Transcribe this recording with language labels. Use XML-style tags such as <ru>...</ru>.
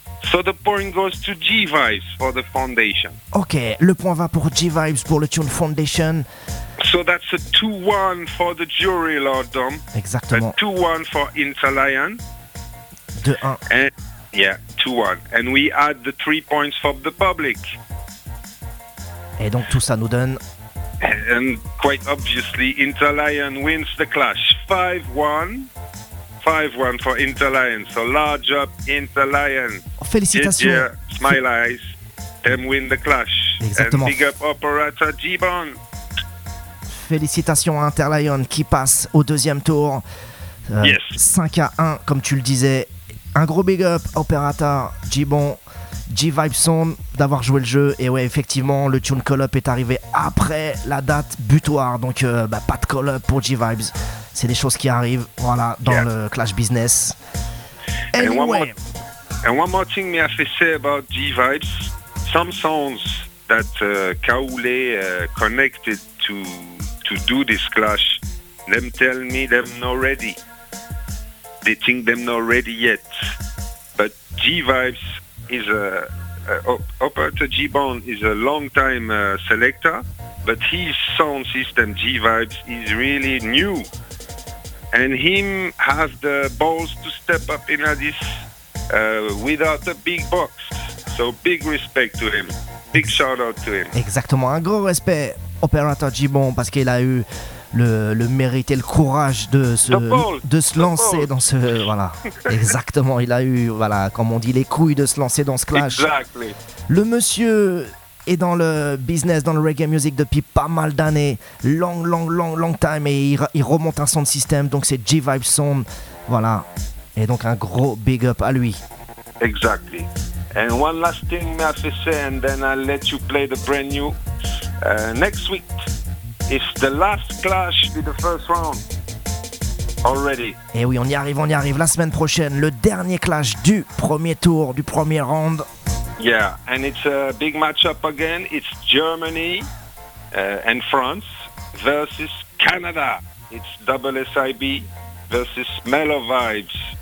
<en>So the point goes to G-Vibes for the foundation.</en> <fr>Ok, le point va pour G-Vibes pour le tune foundation.</fr> <en>So that's a 2-1 for the jury, Lord Dom.</en> <fr>Exactement.</fr> <en>A 2-1 for Interlion. 2-1. Yeah, 2-1. And we add the 3 points for the public.</en> <fr>Et donc tout ça nous donne...</fr> <en>And quite obviously, Interlion wins the clash. 5-1. 5-1 for Interlion. So large up, Interlion.</en> <fr>Félicitations.</fr> <en>Yeah, smile eyes. Them win the clash.</en> <fr>Exactement.</fr> <en>And big up operator G-Bon.</en> <fr>Félicitations à Interlion qui passe au deuxième tour.</fr> <en>Yes.</en> <fr>5-1, comme tu le disais. Un gros big up, opérateur G-Bon, G-Vibe Sound, d'avoir joué le jeu. Et ouais, effectivement, le tune call-up est arrivé après la date butoir. Donc, pas de call-up pour G-Vibes. C'est des choses qui arrivent, voilà, dans le clash business.</fr> <en>Anyway. And one more thing may I have to say about G-Vibes. Some songs that Kaoulé connected to do this clash, them tell me them not ready. They think them not ready yet. But G-Vibes is operator G-Bone is a long time selector, but his sound system G-Vibes is really new. And him has the balls to step up in this without a big box. So big respect to him. Big shout out to him.</en> <fr>Exactement. Un gros respect, opérateur G-Bon, parce qu'il a eu le mérite et le courage de se lancer dans ce... Voilà. Exactement. Il a eu, voilà, comme on dit, les couilles de se lancer dans ce clash.</fr> <en>Exactly.</en> <fr>Le monsieur est dans le business, dans le reggae music depuis pas mal d'années.</fr> <en>Long time.</en> <fr>Et il remonte un sound system. Donc c'est G-Vibe Sound. Voilà. Et donc un gros big up à lui.</fr> <en>Exactly. And one last thing, may I have to say, and then I'll let you play the brand new. Next week, it's the last clash in the first round. Already.</en> <fr>Eh oui, on y arrive. La semaine prochaine, le dernier clash du premier tour, du premier round.</fr> <en>Yeah, and it's a big matchup again. It's Germany and France versus Canada. It's SSIB versus Mellow Vibes.</en>